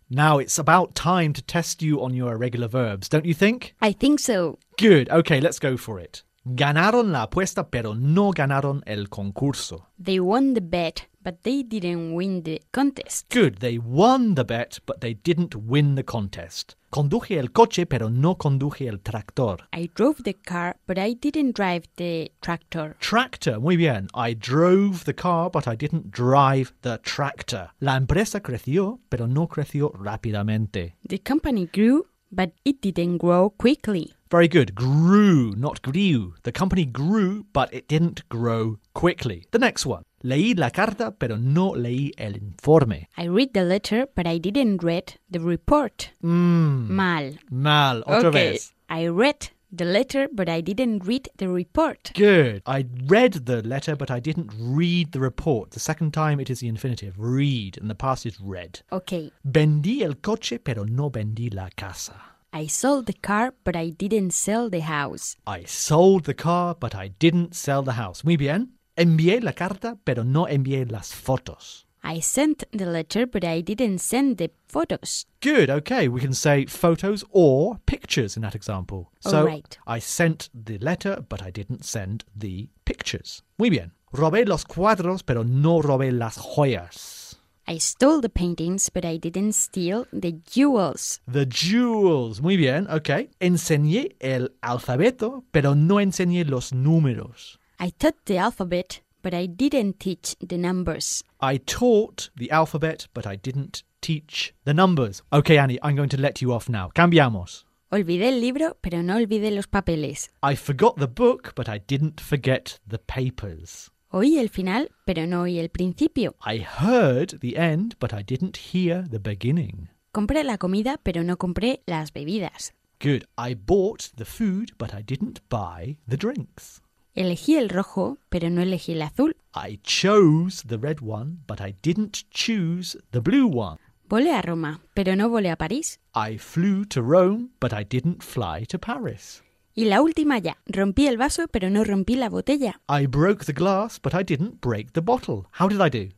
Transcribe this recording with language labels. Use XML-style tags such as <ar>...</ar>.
<en>Now it's about time to test you on your irregular verbs, don't you think? I think so. Good, okay, let's go for it.</en> <es>Ganaron la apuesta, pero no ganaron el concurso.</es> <en>They won the bet, but they didn't win the contest. Good, they won the bet, but they didn't win the contest.</en> <es>Conduje el coche, pero no conduje el tractor.</es> <en>I drove the car, but I didn't drive the tractor.</en> <es>Tractor, muy bien.</es> <en>I drove the car, but I didn't drive the tractor.</en> <es>La empresa creció, pero no creció rápidamente.</es> <en>The company grew, but it didn't grow quickly. Very good. Grew, not grew. The company grew, but it didn't grow quickly. The next one.</en> <es>Leí la carta, pero no leí el informe.</es> <en>I read the letter, but I didn't read the report.</en> <es>Mal. Mal. Otra vez.</es> <en>I read the letter, but I didn't read the report. Good. I read the letter, but I didn't read the report. The second time, it is the infinitive. Read. And the past is read. Okay.</en> <es>Vendí el coche, pero no vendí la casa.</es> <en>I sold the car, but I didn't sell the house. I sold the car, but I didn't sell the house.</en> <es>Muy bien. Envié la carta, pero no envié las fotos.</es> <en>I sent the letter, but I didn't send the photos. Good, okay. We can say photos or pictures in that example. So, all right. I sent the letter, but I didn't send the pictures.</en> <es>Muy bien. Robé los cuadros, pero no robé las joyas.</es> <en>I stole the paintings, but I didn't steal the jewels. The jewels.</en> <es>Muy bien,</es> <en>okay.</en> <es>Enseñé el alfabeto, pero no enseñé los números.</es> <en>I taught the alphabet, but I didn't teach the numbers. I taught the alphabet, but I didn't teach the numbers. Okay, Annie, I'm going to let you off now.</en> <es>Cambiamos. Olvidé el libro, pero no olvidé los papeles.</es> <en>I forgot the book, but I didn't forget the papers.</en> <es>Oí el final, pero no oí el principio.</es> <en>I heard the end, but I didn't hear the beginning.</en> <es>Compré la comida, pero no compré las bebidas.</es> <en>Good. I bought the food, but I didn't buy the drinks.</en> <es>Elegí el rojo, pero no elegí el azul.</es> <en>I chose the red one, but I didn't choose the blue one.</en> <es>Volé a Roma, pero no volé a París.</es> <en>I flew to Rome, but I didn't fly to Paris.</en> <es>Y la última ya. Rompí el vaso, pero no rompí la botella.</es> <en>I broke the glass, but I didn't break the bottle. How did I do?</en>